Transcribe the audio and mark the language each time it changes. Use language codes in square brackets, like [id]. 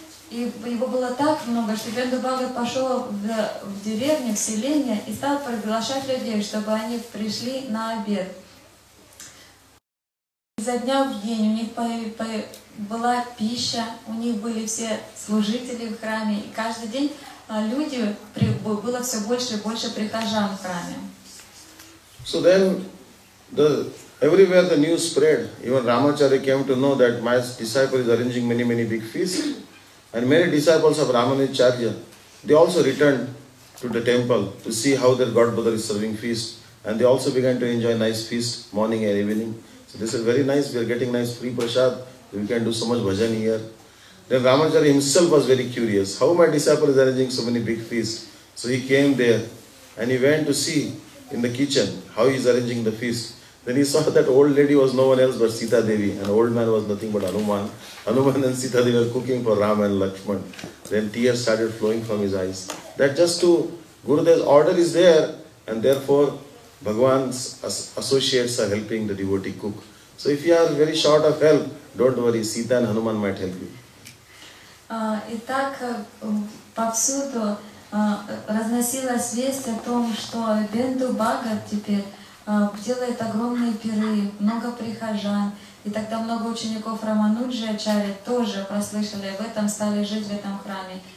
[ru] И его было так много, что Бенду Бхагат пошел в деревню, в селение и стал приглашать людей, чтобы они пришли на обед. Изо дня в день у них была пища, у них были все служители в храме, и каждый день люди, было все больше и больше прихожан в храме. [en] So then everywhere the news spread. Even Ramacharya came to know that my disciple is arranging many, many big feasts. And many disciples of Ramanujacharya, they also returned to the temple to see how their god brother is serving feast. And they also began to enjoy nice feast morning and evening. So this is very nice. We are getting nice free prasad. We can do so much bhajan here. Then Ramacharya himself was very curious. How my disciple is arranging so many big feasts? So he came there and he went to see in the kitchen how he is arranging the feast. Then he saw that old lady was no one else but Sita Devi, and old man was nothing but Hanuman. Hanuman and Sita Devi were cooking for Ram and Lakshman. Then tears started flowing from his eyes. That just to Gurudev's order is there, and therefore Bhagwan's associates are helping the devotee cook. So if you are very short of help, don't worry, Sita and Hanuman might help you. [ru] Итак, повсюду разносилась весть о том, что Бенду Бхагат теперь делает огромные пиры, много прихожан. И тогда много учеников Рамануджи Ачарьи тоже прослышали об этом, стали жить в этом храме.